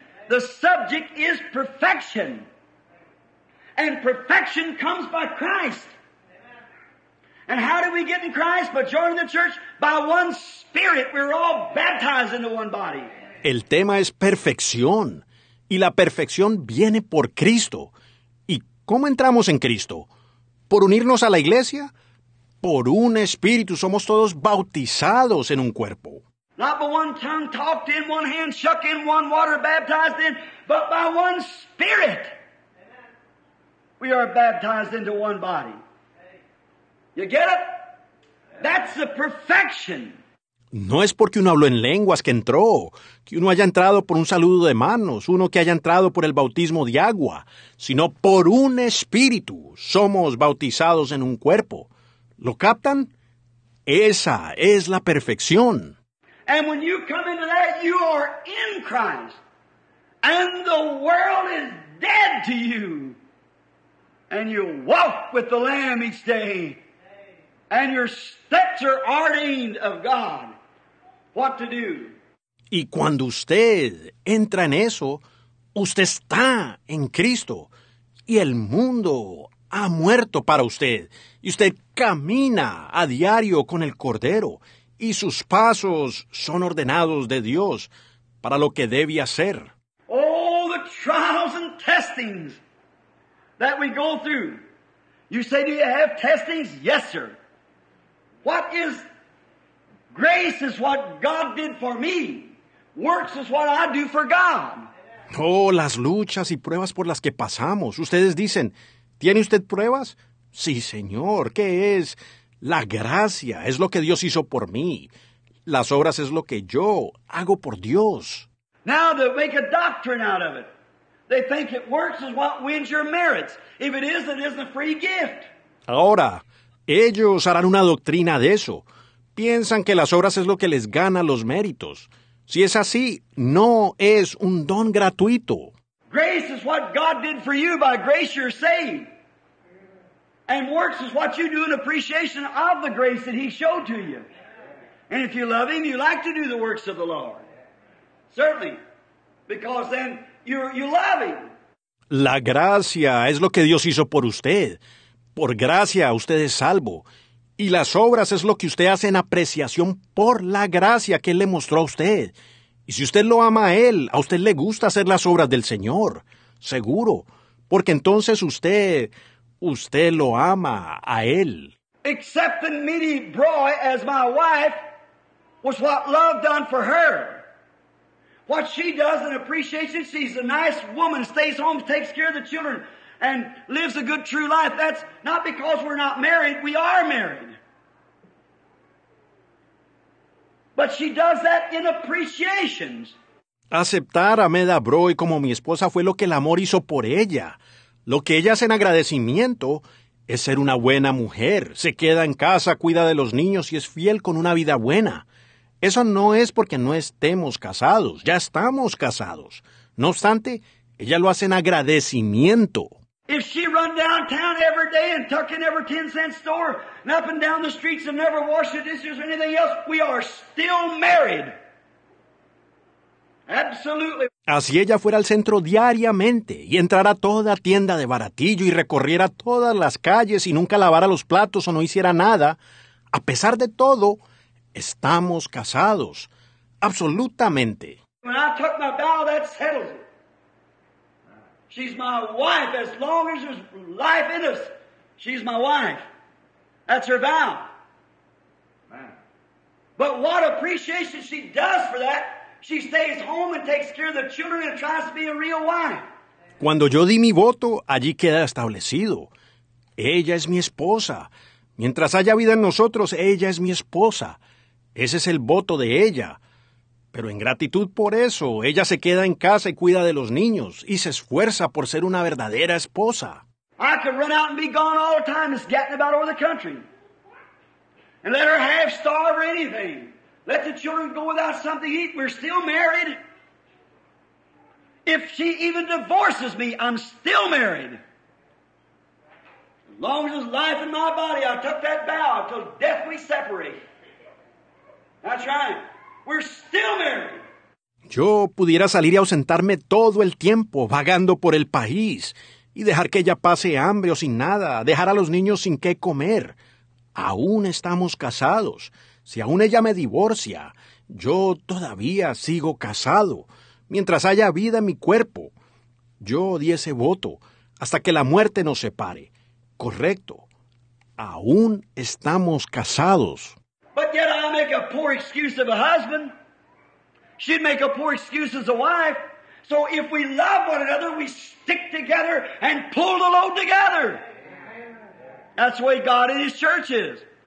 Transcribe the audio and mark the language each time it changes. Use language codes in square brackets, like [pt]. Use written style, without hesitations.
[en] The subject is perfection. And perfection comes by Christ. And how do we get in Christ? By joining the church? By one spirit. We're all baptized into one body. [es] El tema es perfección. Y la perfección viene por Cristo. ¿Y cómo entramos en Cristo? ¿Por unirnos a la iglesia? Por un espíritu somos todos bautizados en un cuerpo. [en] Not by one tongue talked in, one hand shook in, one water baptized in, but by one spirit. We are baptized into one body. You get it? That's the perfection. [es] No es porque uno habló en lenguas que entró, que uno haya entrado por un saludo de manos, uno que haya entrado por el bautismo de agua, sino por un espíritu somos bautizados en un cuerpo. ¿Lo captan? Esa es la perfección. [en] And when you come into that, you are in Christ. And the world is dead to you. And you walk with the Lamb each day. And your steps are ordained of God. What to do? [es] Y cuando usted entra en eso, usted está en Cristo. Y el mundo ha muerto para usted. Y usted camina a diario con el Cordero. Y sus pasos son ordenados de Dios para lo que debe hacer. [en] Oh, the trials and testings. that we go through. You say, do you have testings? Yes, sir. What is grace is what God did for me. Works is what I do for God. [es] Oh, las luchas y pruebas por las que pasamos. Ustedes dicen, ¿tiene usted pruebas? Sí, señor. ¿Qué es? La gracia es lo que Dios hizo por mí. Las obras es lo que yo hago por Dios. [en] Now they make a doctrine out of it. They think it works is what wins your merits. If it is, it is a free gift. [es] Ahora, ellos harán una doctrina de eso. Piensan que las obras es lo que les gana los méritos. Si es así, no es un don gratuito. [en] Grace is what God did for you. By grace you're saved. And works is what you do in appreciation of the grace that he showed to you. And if you love him, you like to do the works of the Lord. Certainly. Because then you love him. [es] La gracia es lo que Dios hizo por usted. Por gracia usted es salvo. Y las obras es lo que usted hace en apreciación por la gracia que él le mostró a usted. Y si usted lo ama a él, a usted le gusta hacer las obras del Señor. Seguro. Porque entonces usted lo ama a él. [en] Accepting Mitty Broy as my wife was what love done for her. What she does in appreciation, she's a nice woman, stays home, takes care of the children, and lives a good, true life. That's not because we're not married. We are married. But she does that in appreciation. [es] Aceptar a Meda Broy como mi esposa fue lo que el amor hizo por ella. Lo que ella hace en agradecimiento es ser una buena mujer. Se queda en casa, cuida de los niños y es fiel con una vida buena. Eso no es porque no estemos casados. Ya estamos casados. No obstante, ella lo hace en agradecimiento. [en] If she run downtown every day and tuck in every 10-cent store and up and down the streets and never wash the dishes or anything else, we are still married. Absolutely. [es] Así ella fuera al centro diariamente y entrara a toda tienda de baratillo y recorriera todas las calles y nunca lavara los platos o no hiciera nada, a pesar de todo, estamos casados. Absolutamente. [en] When I took my vow, that settles it. She's my wife as long as there's life in us. She's my wife. That's her vow. Man. But what appreciation she does for that. She stays home and takes care of the children and tries to be a real wife. [es] Cuando yo di mi voto, allí queda establecido. Ella es mi esposa. Mientras haya vida en nosotros, ella es mi esposa. Ese es el voto de ella. Pero en gratitud por eso, ella se queda en casa y cuida de los niños y se esfuerza por ser una verdadera esposa. [en] I could run out and be gone all the time, just gatting about over the country. And let her half starve or anything. Let the children go without something to eat. We're still married. If she even divorces me, I'm still married. As long as there's life in my body, I took that vow until death we separate. That's right. We're still married. [es] Yo pudiera salir y ausentarme todo el tiempo vagando por el país y dejar que ella pase hambre o sin nada, dejar a los niños sin qué comer. Aún estamos casados. Si aún ella me divorcia, yo todavía sigo casado. Mientras haya vida en mi cuerpo, yo di ese voto hasta que la muerte nos separe. Correcto. Aún estamos casados. [en] But yet I make a poor excuse of a husband. She'd make a poor excuse as a wife. So if we love one another, we stick together and pull the load together. That's the way God and His church is.